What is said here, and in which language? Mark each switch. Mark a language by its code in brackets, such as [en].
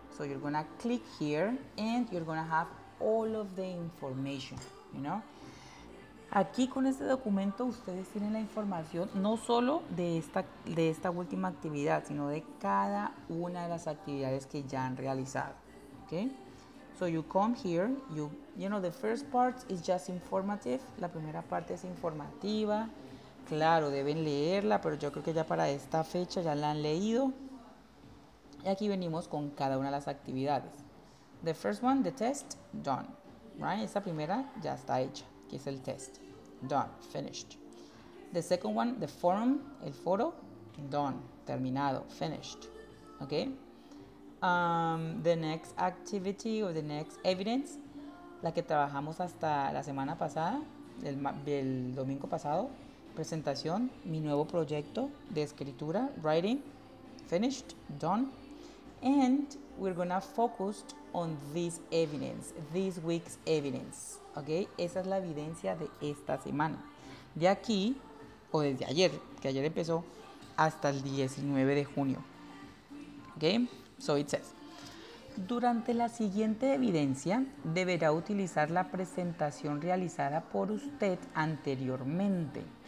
[en] So you're gonna click here and you're gonna have all of the information, you know? [es] Aquí con este documento ustedes tienen la información no solo de esta última actividad, sino de cada una de las actividades que ya han realizado, ¿okay? [en] So you come here, you know the first part is just informative, [es] la primera parte es informativa. Claro, deben leerla, pero yo creo que ya para esta fecha ya la han leído. Y aquí venimos con cada una de las actividades. [en] The first one, the test, done. Right? [es] Esa primera ya está hecha, que es el test. [en] Done, finished. The second one, the forum, [es] el foro, [en] done, terminado, finished. Okay? The next activity or the next evidence, [es] la que trabajamos hasta la semana pasada, el domingo pasado. Presentación, mi nuevo proyecto de escritura, [en] writing, finished, done. And we're gonna focus on this evidence, this week's evidence, okay? [es] Esa es la evidencia de esta semana. De aquí, o desde ayer, que ayer empezó, hasta el 19 de junio. Okay? [en] So it says, [es] durante la siguiente evidencia, deberá utilizar la presentación realizada por usted anteriormente.